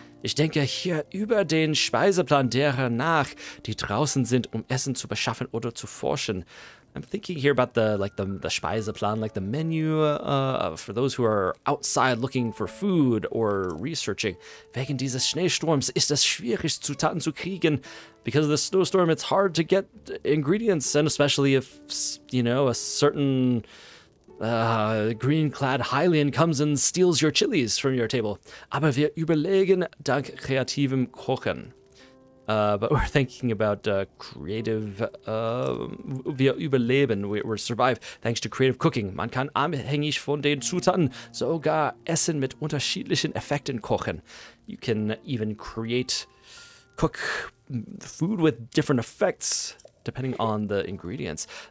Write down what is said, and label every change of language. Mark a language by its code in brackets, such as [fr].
[de] Ich denke hier über den Speiseplan derer nach, die draußen sind, um Essen zu beschaffen oder zu forschen. [en] I'm thinking here about the Speiseplan, like the menu for those who are outside looking for food or researching. [de] Wegen dieses Schneesturms ist es schwierig, Zutaten zu kriegen. [en] Because of the snowstorm, it's hard to get ingredients, and especially if, you know, a certain green-clad Hylian comes and steals your chilies from your table. [de] Aber wir überlegen dank kreativem Kochen. [en] But we're thinking about we survive thanks to creative cooking. [de] Man kann abhängig von den Zutaten sogar Essen mit unterschiedlichen Effekten kochen. [en] You can even cook food with different effects depending on the ingredients.